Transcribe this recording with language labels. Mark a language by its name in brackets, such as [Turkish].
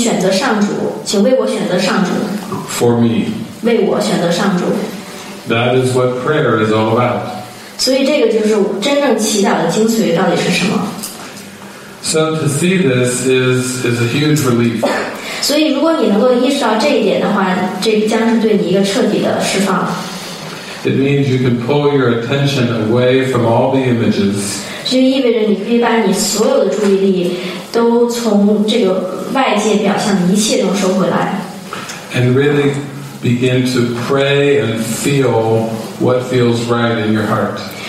[Chinese] 他是说圣灵请为上主，请选择上主，请为我选择上主。 [English] For me. [Chinese] 为我选择上主。 [English] That is what prayer is all about. [Chinese] 所以这个就是真正祈祷的精髓到底是什么。 [English] So to see this is a huge relief. [Chinese] 所以如果你能够意识到这一点的话，这将是对你一个彻底的释放。 [English] It means you can pull your attention away from all the images. [Chinese] 就意味着你可以把你所有的注意力都从这个外界表象的一切都收回来。 [English] And really begin to pray and feel what feels right in your heart.